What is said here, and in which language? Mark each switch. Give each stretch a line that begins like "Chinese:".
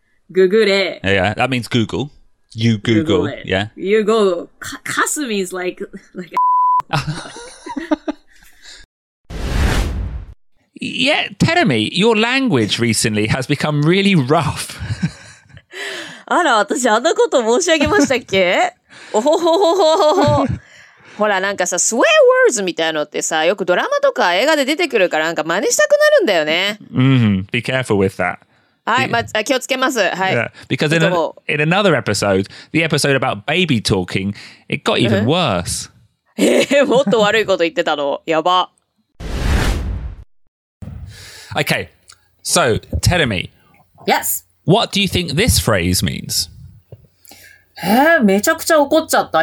English: Google. Yeah, that means Google. You Google. Google. Yeah. You Google. Kasu means like a Yeah, Terumi, your language recently has become really rough.
Japanese: あら、私あんなこと申し上げましたっけ?おほほほほほ。ほら、なんかさ、
English: swear words
Japanese: みたいなのってさ、よくドラマとか映画で出てくるから、なんか真似したくなるんだよね。
English: Be careful with that.
Japanese: はい、ま、気をつけます。はい。Yeah.
English: Because in another episode, the episode about baby talking, it got even worse.
Japanese: もっと悪いこと言ってたの。やば。
English: Okay. So, tell me. Yes. What do you think this phrase means?
Japanese: めちゃくちゃ怒っちゃった。